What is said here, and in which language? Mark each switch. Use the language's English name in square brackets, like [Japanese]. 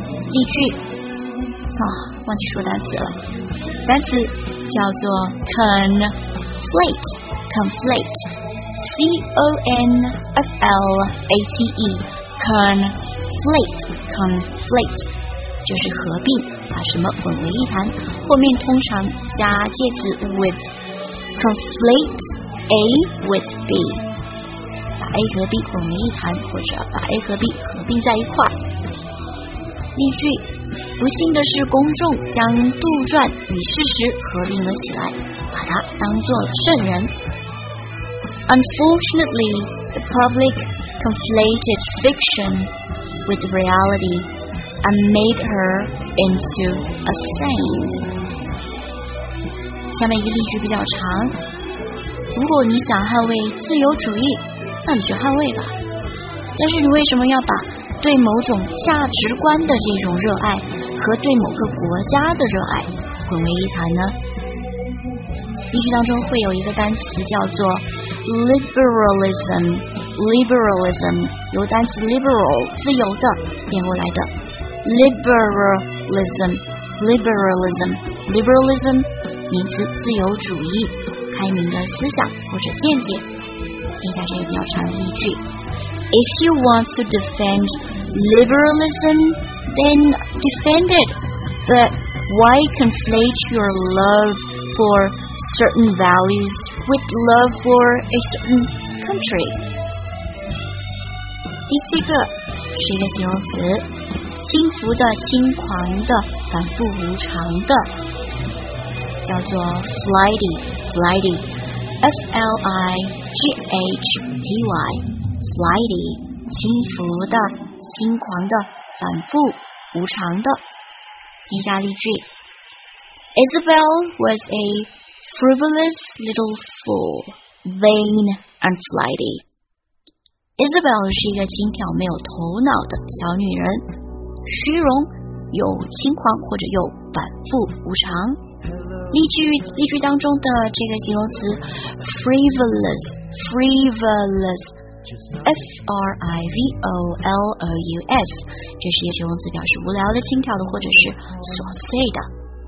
[Chinese] 例句，忘记说单词了，单词叫做 conflate C-O-N-F-L-A-T-E conflate 就是合并，把什么混为一谈，后面通常加介词 with， [English] conflate A with B， [Chinese] 把 A 和 B 混为一谈，或者把 A 和 B 合并在一块。例句，不幸的是公众将杜撰与事实合并了起来，把它当作了圣人。 [English] Unfortunately, the public conflated fiction with reality and made her into a saint. [Chinese] 下面一个例句比较长，如果你想捍卫自由主义，那你就捍卫吧，但是你为什么要把对某种价值观的这种热爱和对某个国家的热爱混为一谈呢？例句当中会有一个单词叫做 liberalism， 由单词 liberal 自由的变过来的 liberalism 名词，自由主义，开明的思想或者见解。听一下这个比较长的例句， [English] If you want to defend liberalism then defend it, but why conflate your love forcertain values with love for a certain country. [Chinese] 第七个是一个形容词，轻浮的、轻狂的、反复无常的，叫做 flighty 轻浮的、轻狂的、反复无常的。听一下例句， [English] Isabel was aFrivolous little fool, vain and flighty. [Chinese] Isabel 是一个轻佻没有头脑的小女人，虚荣又轻狂，或者又反复无常。例句当中的这个形容词 frivolous F-R-I-V-O-L-O-U-S 这是一个形容词，表示无聊的、轻佻的，或者是琐碎的。